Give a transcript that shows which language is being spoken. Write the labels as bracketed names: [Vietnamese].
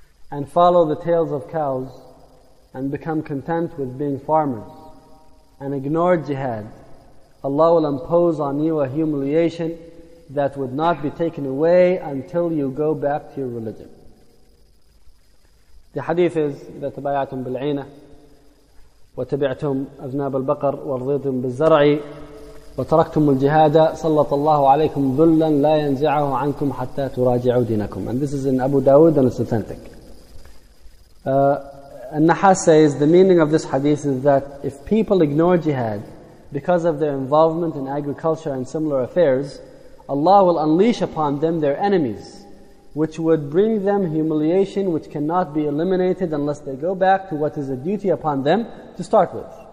[English] And follow the tails of cows, and become content with being farmers, and ignore jihad, Allah will impose on you a humiliation that would not be taken away until you go back to your religion." The hadith is, [Arabic] إِذَا تَبَايَعْتُمْ بِالْعِينَةِ وَتَبِعْتُمْ أَذْنَابَ الْبَقَرِ وَرْضِيْتُمْ بِالزَّرْعِ وَتَرَكْتُمُ الْجِهَادَ صَلَّطَ اللَّهُ عَلَيْكُمْ ذُلًّا لَا يَنْزِعَهُ عَنْكُمْ حَتَّى تُرَاجِعُوا دِينَكُمْ. [English] And this is in Abu Dawood and it's authentic. An-Nahas says, the meaning of this hadith is that if people ignore jihad because of their involvement in agriculture and similar affairs, Allah will unleash upon them their enemies, which would bring them humiliation which cannot be eliminated unless they go back to what is a duty upon them to start with.